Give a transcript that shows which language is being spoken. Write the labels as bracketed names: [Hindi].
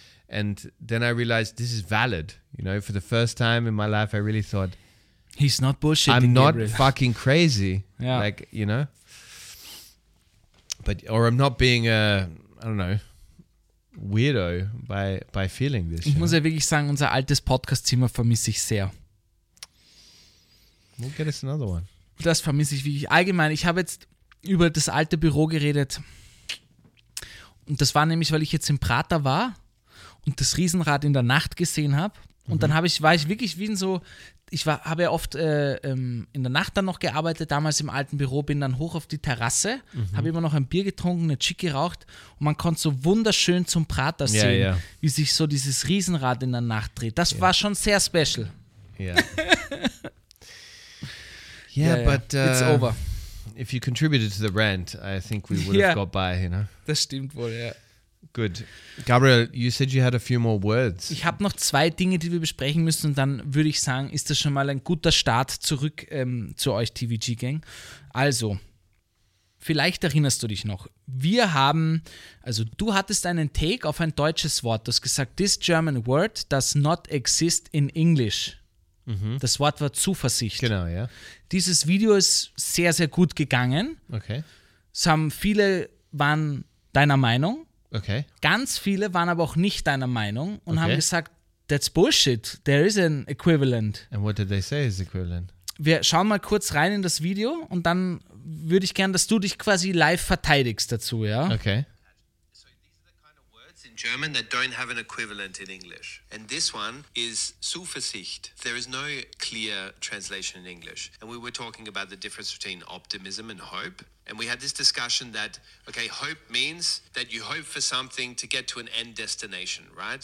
[English] And then I realized this is valid, you know. For the first time in my life, I really thought... He's not bullshitting, I'm not Gabriel. Fucking crazy, yeah. like, you know. But or I'm not being a, I don't know, weirdo by feeling this. [German] Ich show. Muss ja wirklich sagen, unser altes Podcast-Zimmer vermisse ich sehr. [English] We'll get us another one. [German] Das vermisse ich wirklich. Allgemein, ich habe jetzt über das alte Büro geredet und das war nämlich, weil ich jetzt im Prater war und das Riesenrad in der Nacht gesehen habe und mhm. dann war ich wirklich wie in so ich war, habe ja oft in der Nacht dann noch gearbeitet, damals im alten Büro, bin dann hoch auf die Terrasse, habe immer noch ein Bier getrunken, eine Chick geraucht und man konnte so wunderschön zum Prater sehen, wie sich so dieses Riesenrad in der Nacht dreht. Das war schon sehr special. [English] It's over. If you contributed to the rent, I think we would have got by, you know? [German] Das stimmt wohl, ja. [English] Good. Gabriel, you said you had a few more words. [German] Ich habe noch zwei Dinge, die wir besprechen müssen und dann würde ich sagen, ist das schon mal ein guter Start zurück zu euch TVG-Gang. Also, vielleicht erinnerst du dich noch. Wir haben, also du hattest einen Take auf ein deutsches Wort, das gesagt, [English] this German word does not exist in English. [German] Mhm. Das Wort war Zuversicht. Genau, ja. Dieses Video ist sehr, sehr gut gegangen. Okay. Es haben viele, waren deiner Meinung. Okay. Ganz viele waren aber auch nicht deiner Meinung und haben gesagt, [English] that's bullshit, there is an equivalent. And what did they say is equivalent? [German] Wir schauen mal kurz rein in das Video und dann würde ich gern, dass du dich quasi live verteidigst dazu, ja? Okay. [English] So these are the kind of words in German that don't have an equivalent in English. And this one is Zuversicht. There is no clear translation in English. And we were talking about the difference between optimism and hope. And we had this discussion that, okay, hope means that you hope for something to get to an end destination, right?